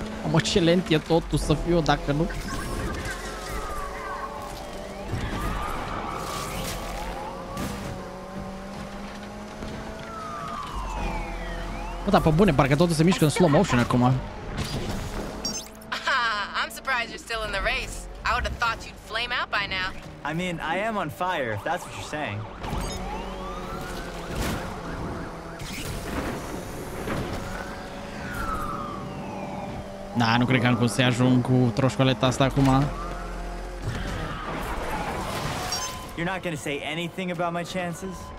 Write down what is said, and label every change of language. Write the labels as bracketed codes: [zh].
[ro] mă, ce lent e totul să fiu dacă nu... Bă, dar pe bune, parcă totul se mișcă în slow motion acum. [en] I'm surprised you're still in the race. I would have thought you'd flame out by now. I mean, I am on fire, if that's what you're saying. [ro] Da, nu cred că am cum să ajung cu troșcoleta asta acum. [en] You're not going to say anything about my chances?